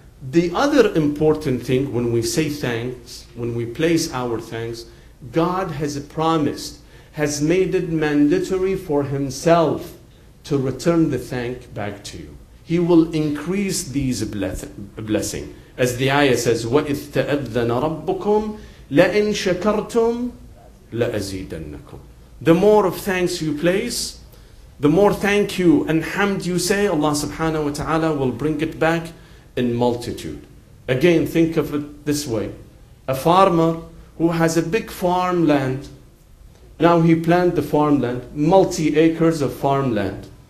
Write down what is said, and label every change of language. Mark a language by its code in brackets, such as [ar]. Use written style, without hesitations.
[en] The other important thing, when we say thanks, when we place our thanks, God has promised, has made it mandatory for Himself to return the thank back to you. He will increase these blessings. As the ayah says, [ar] وَإِذْ تَأَذَّنَ رَبُّكُمْ لَإِنْ شَكَرْتُمْ لَأَزِيدَنَّكُمْ. [en] The more of thanks you place, the more thank you and hamd you say, Allah subhanahu wa ta'ala will bring it back in multitude. Again, think of it this way. A farmer who has a big farmland, now he planted the farmland, multi acres of farmland.